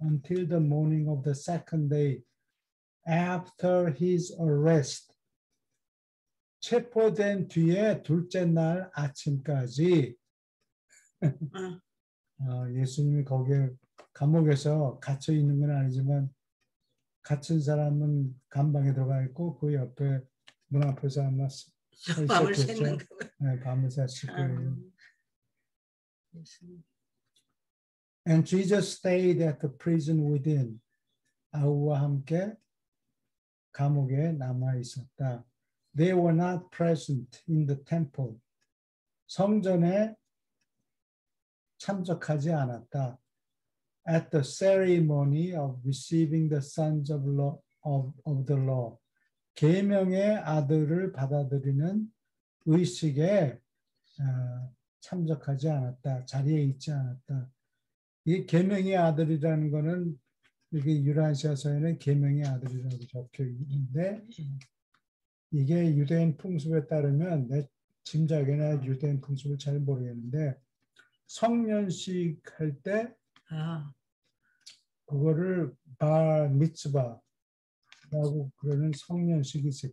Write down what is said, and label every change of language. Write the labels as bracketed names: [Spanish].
[English] Until the morning of the second day, after his arrest. [Korean] 체포된 뒤에 둘째 날 아침까지 예수님이 거기에 감옥에서 갇혀 있는 건 아니지만 갇힌 사람은 감방에 들어가 있고 그 옆에 문 앞에서 아마 서 밤을 있었겠죠. 샜는가 네, 밤을 샜을 거예요. 예수님. [English] And Jesus stayed at the prison within. [Korean] 아우와 함께 감옥에 남아 있었다. [English] They were not present in the temple. [Korean] 성전에 참석하지 않았다. [English] At the ceremony of receiving the sons of the law. [Korean] 계명의 아들을 받아들이는 의식에 참석하지 않았다. 자리에 있지 않았다. 이 계명의 아들이라는 거는 이게 유라시아서에는 계명의 아들이라고 적혀 있는데 이게 유대인 풍습에 따르면 내 짐작이나 유대인 풍습을 잘 모르겠는데 성년식 할때 그거를 바 미츠바라고 그러는 성년식이 있어요.